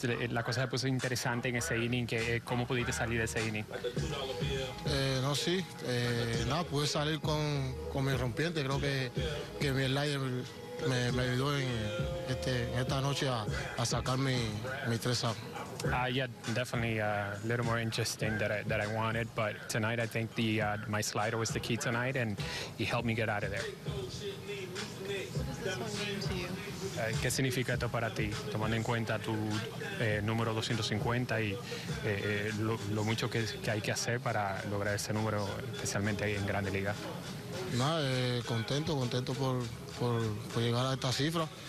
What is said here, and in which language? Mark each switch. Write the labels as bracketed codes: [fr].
[es] La cosa se puso interesante en ese inning, que cómo pudiste salir de ese inning. Pude salir con mi rompiente. Creo que mi slider me ayudó en esta noche a sacar mi tres out. [en] Definitely a little more interesting that I wanted, but tonight I think my slider was the key tonight, and he helped me get out of there. [es] ¿Qué significa esto para ti, tomando en cuenta tu número 250 y lo mucho que hay que hacer para lograr ese número, especialmente ahí en Grandes Ligas? Contento por llegar a esta cifra.